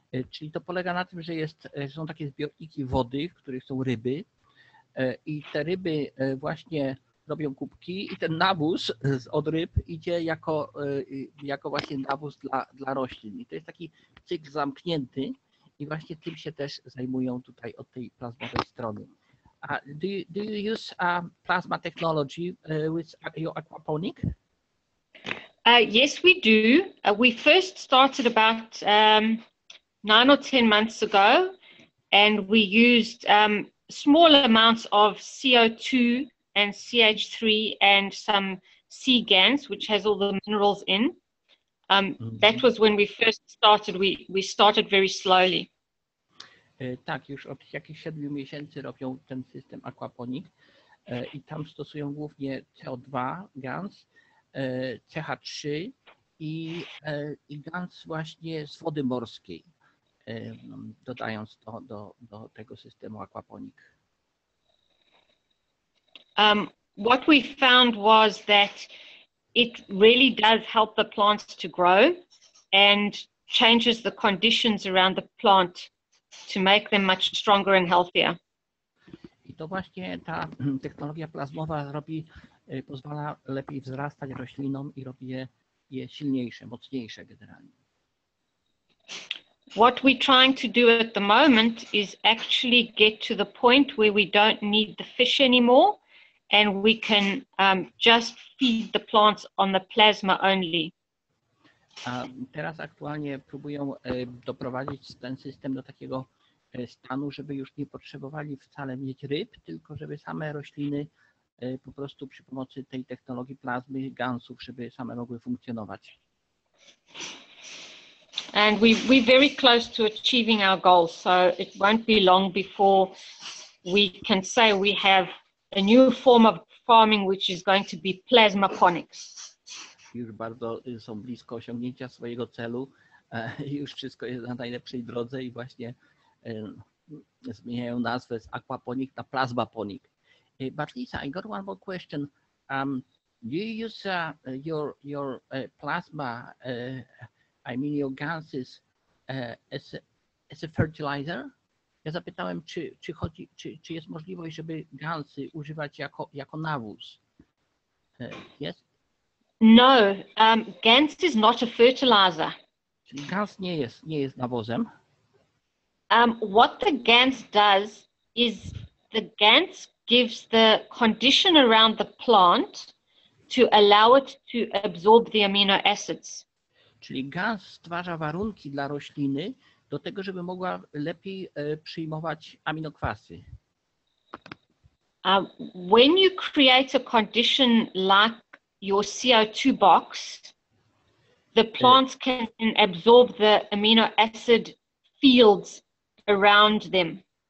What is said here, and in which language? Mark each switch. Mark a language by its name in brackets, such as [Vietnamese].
[Polish] Czyli to polega na tym, że są takie zbiorniki wody, w których są ryby i te ryby właśnie robią kubki i ten nawóz od ryb idzie jako właśnie nawóz dla roślin. I to jest taki cykl zamknięty i właśnie tym się też zajmują tutaj od tej plazmowej strony. [English] Do you use plasma technology with your aquaponic? Yes, we do. We first started about 9 or 10 months ago, and we used small amounts of CO2 and CH3 and some sea gans, which has all the minerals in. That was when we first started. We started very slowly. [Polish] Tak, już od jakichś 7 miesięcy robią ten system aquaponik i tam stosują głównie CO2 gans, CH3 i gans właśnie z wody morskiej, dodając to do tego systemu aquaponik. [English] What we found was that it really does help the plants to grow and changes the conditions around the plant to make them much stronger and healthier. [Polish] I to właśnie ta technologia plazmowa robi, pozwala lepiej wzrastać roślinom i robi je silniejsze, mocniejsze generalnie. [English] What we're trying to do at the moment is actually get to the point where we don't need the fish anymore. And we can just feed the plants on the plasma only. [Polish] Teraz aktualnie próbują doprowadzić ten system do takiego stanu, żeby już nie potrzebowali wcale mieć ryb, tylko żeby same rośliny po prostu przy pomocy tej technologii plazmy, gansów, żeby same mogły funkcjonować. [English] And we're very close to achieving our goal, so it won't be long before we can say we have a new form of farming, which is going to be plasmaponics. [Polish] Już bardzo są blisko osiągnięcia swojego celu. Już wszystko jest na najlepszej drodze i właśnie zmieniają nazwę z aquaponik na plasmaponik. [English] But Lisa, I got one more question. Do you use your plasma, I mean your ganses, as a fertilizer? [Polish] Ja zapytałem, czy jest możliwość, żeby gansy używać jako nawóz? [English] Yes? No, gans is not a fertilizer. [Polish] Gans nie jest nawozem. [English] What the gans does is the gans gives the condition around the plant to allow it to absorb the amino acids. [Polish] Czyli gans stwarza warunki dla rośliny do tego, żeby mogła lepiej przyjmować aminokwasy. [English] When you create a condition like your CO2 box, the plants can absorb the amino acid fields around them.